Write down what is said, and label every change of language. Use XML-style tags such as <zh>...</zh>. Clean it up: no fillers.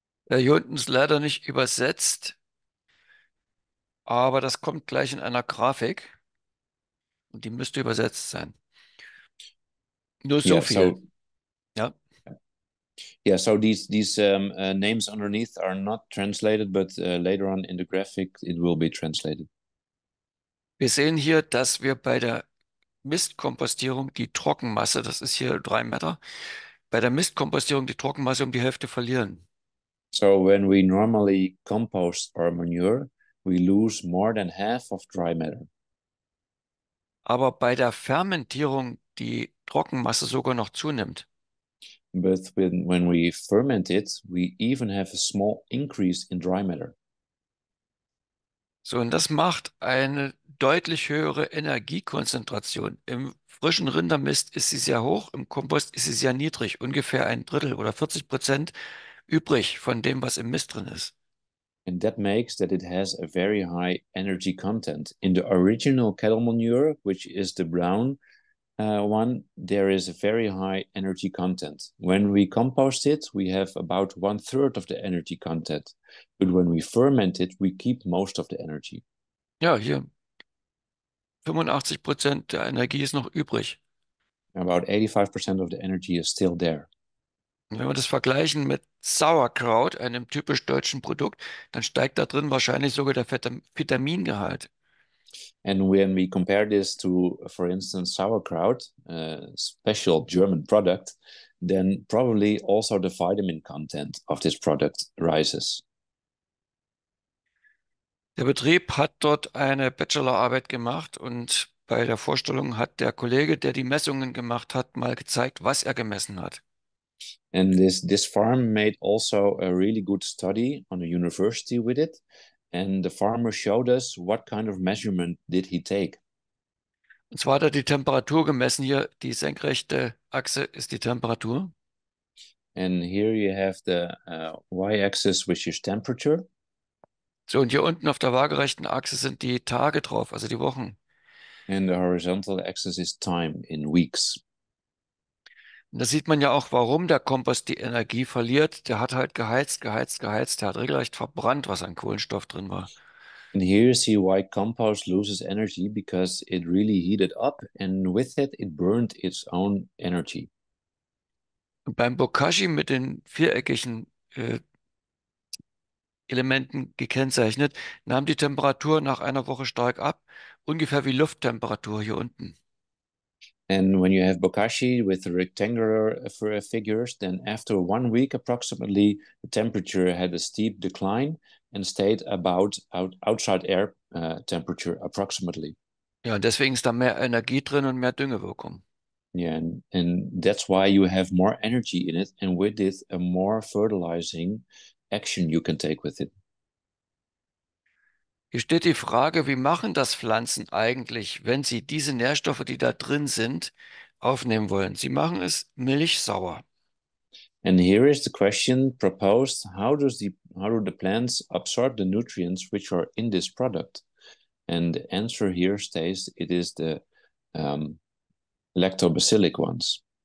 <de>Hier unten ist leider nicht übersetzt. Aber das kommt gleich in einer Grafik und die müsste übersetzt sein. Nur so viel.</de> <en>Yeah, so these names underneath are not translated, but later on in the graphic it will be translated.</en> <de>Wir sehen hier, dass wir bei der Mistkompostierung die Trockenmasse, das ist hier 3 Meter, bei der Mistkompostierung die Trockenmasse um die Hälfte verlieren.</de> <en>So when we normally compost our manure, we lose more than half of dry matter.</en> <de>Aber bei der Fermentierung die Trockenmasse sogar noch zunimmt.</de> <en>But when we ferment it, we even have a small increase in dry matter.</en> <de>So, und das macht eine deutlich höhere Energiekonzentration. Im frischen Rindermist ist sie sehr hoch, im Kompost ist sie sehr niedrig, ungefähr ein Drittel oder 40% übrig von dem, was im Mist drin ist.</de> <en>And that makes that it has a very high energy content. In the original cattle manure, which is the brown one, there is a very high energy content. When we compost it, we have about 1/3 of the energy content. But when we ferment it, we keep most of the energy.</en> <de>Ja, hier. 85% der Energie ist noch übrig.</de> <en>About 85% of the energy is still there.</en> <de>Wenn wir das vergleichen mit Sauerkraut, einem typisch deutschen Produkt, dann steigt da drin wahrscheinlich sogar der Vitamingehalt.</de> <en>And when we compare this to, for instance, Sauerkraut, a special German product, then probably also the vitamin content of this product rises.</en> <de>Der Betrieb hat dort eine Bachelorarbeit gemacht und bei der Vorstellung hat der Kollege, der die Messungen gemacht hat, mal gezeigt, was er gemessen hat.</de> <en>And this farm made also a really good study on a university with it. And the farmer showed us what kind of measurement did he take.</en> <de>Und zwar hat er die Temperatur gemessen hier. Die senkrechte Achse ist die Temperatur.</de> <en>And here you have the y-axis, which is temperature.</en> <de>So, und hier unten auf der waagerechten Achse sind die Tage drauf, also die Wochen.</de> <en>And the horizontal axis is time in weeks.</en> <de>Und da sieht man ja auch, warum der Kompost die Energie verliert. Der hat halt geheizt, geheizt, geheizt. Der hat regelrecht verbrannt, was an Kohlenstoff drin war.</de> <en>And here you see why compost loses energy, because it really heated up and with it, it burned its own energy.</en> <de>Und beim Bokashi mit den viereckigen Elementen gekennzeichnet, nahm die Temperatur nach einer Woche stark ab, ungefähr wie Lufttemperatur hier unten.</de> <en>And when you have Bokashi with the rectangular figures, then after 1 week approximately, the temperature had a steep decline and stayed about outside air temperature approximately.</en> <de>Ja, und deswegen ist da mehr Energie drin und mehr Düngewirkung.</de> <en>Yeah, and that's why you have more energy in it and with it a more fertilizing action you can take with it.</en> <de>Hier steht die Frage, wie machen das Pflanzen eigentlich, wenn sie diese Nährstoffe, die da drin sind, aufnehmen wollen? Sie machen es milchsauer.</de> <en>And here is the question proposed, how do the plants absorb the nutrients which are in this product? And the answer here states it is the lactobacillic ones.</en>